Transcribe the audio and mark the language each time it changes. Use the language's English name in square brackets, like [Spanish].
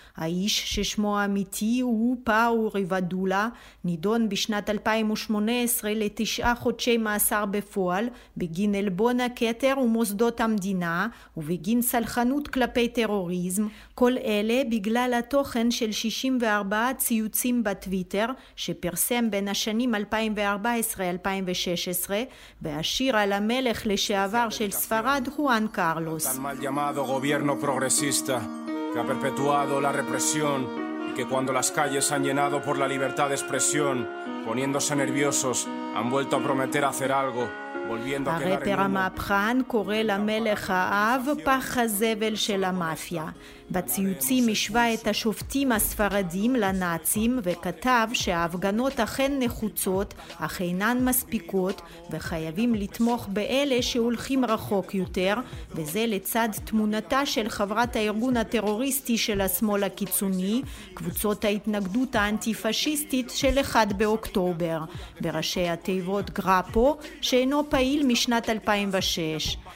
[Hebrew] האיש ששמו האמיתי הוא פאו ריבדולה, נידון בשנת 2018 לתשעה חודשי מאסר בפועל בגין אלבון הכתר ומוסדות המדינה ובגין סלחנות כלפי טרוריזם, כל אלה בגלל התוכן של 64 ציוצים בטוויטר שפרסם בין השנים 2014-2016 והשיר על המלך לשעבר של ספרד חואן קרלוס. [Spanish] que ha perpetuado la represión y que cuando las calles han llenado por la libertad de expresión poniéndose nerviosos han vuelto a prometer hacer algo volviendo a quedar en [Hebrew] הרפר המהפכן קורא למלך האב פח הזבל של המאפיה. בציוצים השווה את השופטים הספרדים לנאצים וכתב שההפגנות אכן נחוצות אך אינן מספיקות וחייבים לתמוך באלה שהולכים רחוק יותר, וזה לצד תמונתה של חברת הארגון הטרוריסטי של השמאל הקיצוני, קבוצות ההתנגדות האנטי-פשיסטית של 1 באוקטובר, בראשי התיבות גראפו, שאינו פעיל משנת 2006.